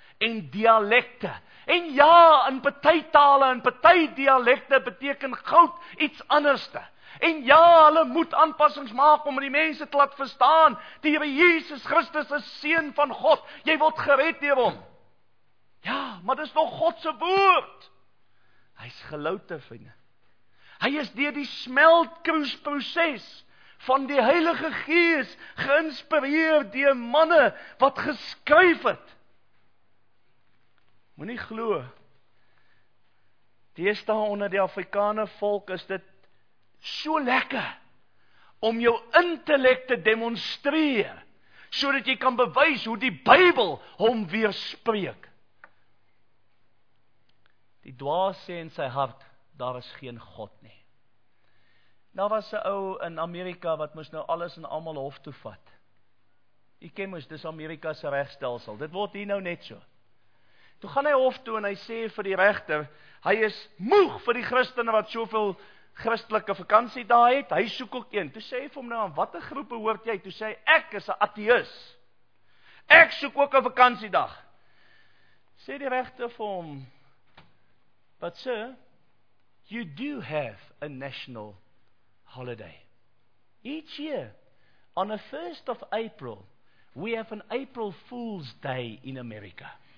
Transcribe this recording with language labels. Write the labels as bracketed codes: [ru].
[af] en dialekte. En ja, in party tale en party dialekte beteken goud iets anderste. En ja, hulle moet aanpassings maak om die mense te laat verstaan, die Here Jesus Christus is seun van God, jy word gered deur hom. Ja, maar dis nog God se woord. Hy is geloute, vriende. Hy is deur die smeltkroesproses van die Heilige Gees geïnspireer deur manne wat geskryf het. Moenie glo. Deesdae onder die Afrikaner volk is dit so lekker om jou intellek te demonstreer sodat jy kan bewys hoe die Bybel hom weerspreek. Die dwaas sê in sy hart, daar is geen God nie. Daar was 'n ou in Amerika wat moes nou alles en almal hof toe vat. Jy ken mos, dis Amerika se regstelsel. Dit word hier nou net so. Toe gaan hy hof toe en hy sê vir die regter, hy is moeg vir die Christene wat soveel Christelike vakansie daar het. Hy soek ook een. Toe sê hy vir hom nou, aan watter groep behoort jy? Toe sê hy, ek is 'n ateïs. Ek soek ook 'n vakansiedag. Sê die regter vir hom, [en] but sir, you do have a national holiday. Each year, on the 1st of April, we have an April Fool's Day in America.